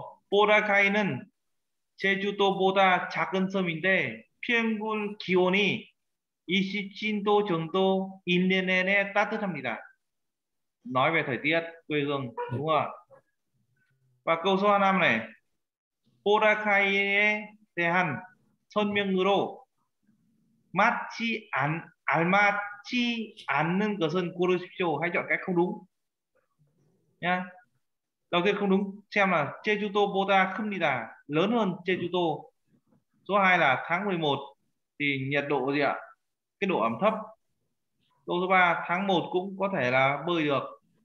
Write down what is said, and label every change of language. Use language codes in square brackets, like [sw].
[ko] Boracay는 제주도보다 작은 섬인데 평균 기온이 27도 정도 1년 내내 따뜻합니다. [vi] Nói về thời tiết quê hương, đúng không? Và câu số 5 này. [ko] Boracay에 대한 설명으로 맞지 안 알맞지 않는 것은 고르십시오. [vi] Hãy chọn cách không đúng. Nha. Yeah. Đầu tiên không đúng, xem là Jeju-do Boda không đi là lớn hơn Jeju-do. Số 2 là tháng 11 thì nhiệt độ gì ạ? Cái độ ẩm thấp. Câu số 3, tháng 1 cũng có thể là bơi được.